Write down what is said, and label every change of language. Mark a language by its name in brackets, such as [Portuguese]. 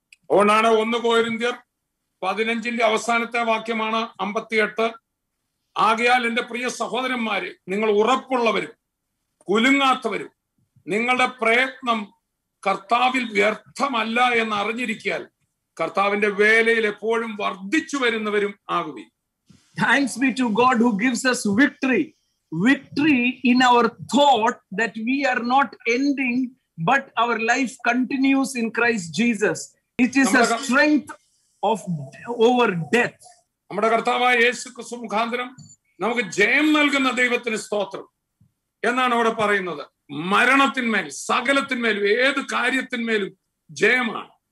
[Malayalam] അതുകൊണ്ടാണ് 1 Corinthians 15 അവസാനത്തെ വാക്യമാണ് 58, ആകയാൽ എന്റെ പ്രിയ സഹോദരന്മാരെ, നിങ്ങൾ ഉറപ്പുള്ളവരും കുലുങ്ങാത്തവരും, നിങ്ങളുടെ പ്രയത്നം കർത്താവിൽ വ്യർത്ഥമല്ല എന്ന് അറിഞ്ഞിരിക്കാൻ കർത്താവിന്റെ വേലയിൽ എപ്പോഴും വർദ്ധിച്ചു വരുന്നവരും ആകുവി. [English] Thanks be to God who gives us victory in our thought that we are not ending, but our life continues in Christ Jesus. It is a strength of over death. [Malayalam] നമ്മുടെ കർത്താവായ യേശുക്രിസ്തു മുഖാന്തരം നമുക്ക് ജയം നൽകുന്ന ദൈവത്തിന് സ്തോത്രം എന്നാണ് അവിടെ പറയുന്നത്. മരണത്തിന്മേൽ, സകലത്തിന്മേലും, ഏത് കാര്യത്തിന്മേലും ജയമാണ്.